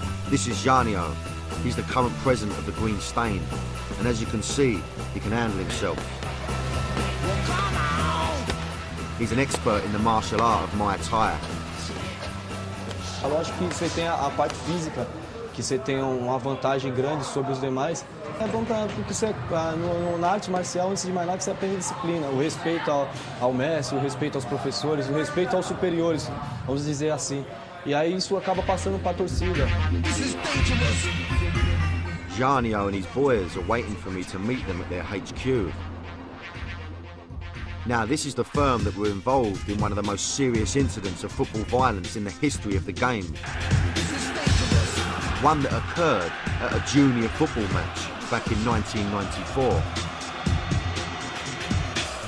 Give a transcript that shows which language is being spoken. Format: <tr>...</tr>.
<en>This is Janio. He's the current president of the Green Stain. And as you can see, he can handle himself. He's an expert in the martial art of Muay Thai. I think you have the part physical, that you have a great advantage over the others.</en> <pt>É bom porque você, na arte marcial, antes de mais nada, você aprende disciplina. O respeito ao mestre, o respeito aos professores, o respeito aos superiores, vamos dizer assim. E aí isso acaba passando para a torcida.</pt> <en>Janio and his boys are waiting for me to meet them at their HQ. Now, this is the firm that were involved in one of the most serious incidents of football violence in the history of the game. One that occurred at a junior football match back in 1994.</en>